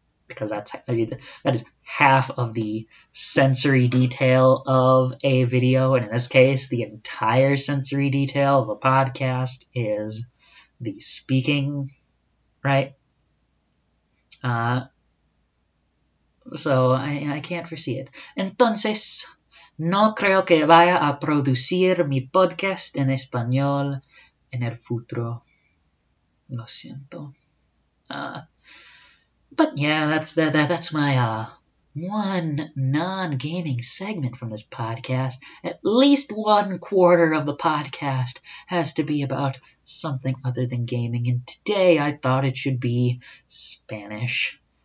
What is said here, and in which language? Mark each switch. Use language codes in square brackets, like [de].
[en] Because that is half of the sensory detail of a video, and in this case, the entire sensory detail of a podcast is the speaking, right? So I can't foresee it. [es] Entonces, no creo que vaya a producir mi podcast en español en el futuro. Lo siento. [en] But yeah, that's my one non-gaming segment from this podcast. At least one quarter of the podcast has to be about something other than gaming, and today I thought it should be Spanish.